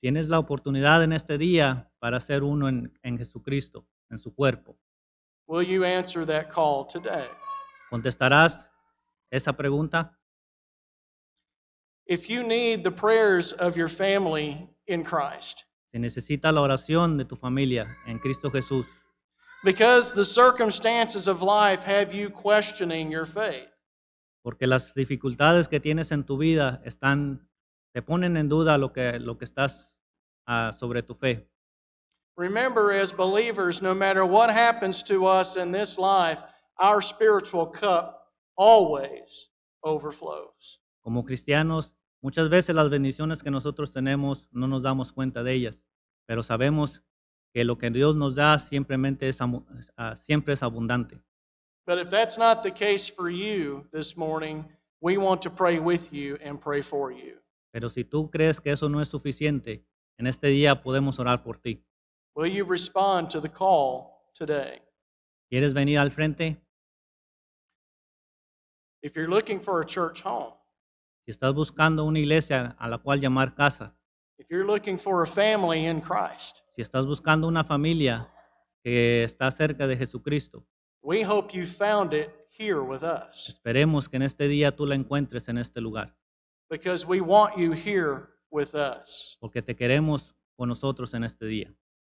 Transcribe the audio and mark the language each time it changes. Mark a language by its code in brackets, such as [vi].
[es] Tienes la oportunidad en este día para ser uno en Jesucristo, en su cuerpo. [en] Will you answer that call today? [es] ¿Contestarás esa pregunta? [en] If you need the prayers of your family in Christ, [es] si necesita la oración de tu familia en Cristo Jesús, [en] because the circumstances of life have you questioning your faith, [es] Porque las dificultades que tienes en tu vida están, te ponen en duda lo que estás sobre tu fe. [en] Remember, as believers, no matter what happens to us in this life, our spiritual cup always overflows. [es] Como cristianos, muchas veces las bendiciones que nosotros tenemos no nos damos cuenta de ellas, pero sabemos que lo que Dios nos da siempre es abundante. [en] But if that's not the case for you this morning, we want to pray with you and pray for you. [es] Pero si tú crees que eso no es suficiente, en este día podemos orar por ti. [en] Will you respond to the call today? [es] ¿Quieres venir al frente? [en] If you're looking for a church home, [es] si estás buscando una iglesia a la cual llamar casa, [en] if you're looking for a family in Christ, [es] si estás buscando una familia que está cerca de Jesucristo, [en] we hope you found it here with us. [es] Esperemos que en este día tú la encuentres en este lugar. [en] Because we want you here with us. [es] Porque te queremos con nosotros en este día.